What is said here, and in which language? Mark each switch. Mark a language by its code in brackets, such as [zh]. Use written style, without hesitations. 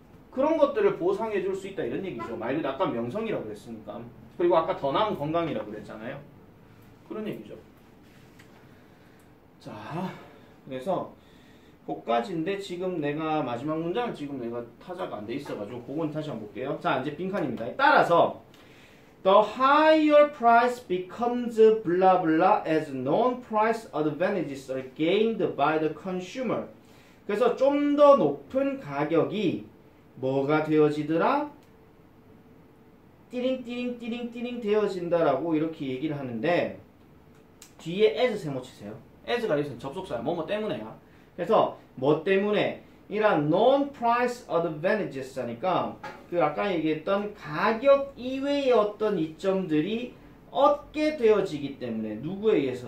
[ko] 그런 것들을 보상해 줄 수 있다 이런 얘기죠. 말 그대로 아까 명성이라고 그랬으니까. 그리고 아까 더 나은 건강이라고 그랬잖아요. 그런 얘기죠. 자, 그래서 고까지인데 지금 내가 마지막 문장을 지금 내가 타자가 안 돼 있어가지고 그건 다시 한번 볼게요. 자, 이제 빈칸입니다. 따라서 [en] The higher price becomes blah blah as non-price advantages are gained by the consumer. [ko] 그래서 좀 더 높은 가격이 뭐가 되어지더라? 띠링띠링띠링띠링 되어진다라고 이렇게 얘기를 하는데 뒤에 as 세모 치세요. as가 여기서 접속사야. 뭐뭐 때문에야. 그래서 뭐 때문에 이런 non-price advantages 하니까 그 아까 얘기했던 가격 이외의 어떤 이점들이 얻게 되어지기 때문에 누구에 의해서?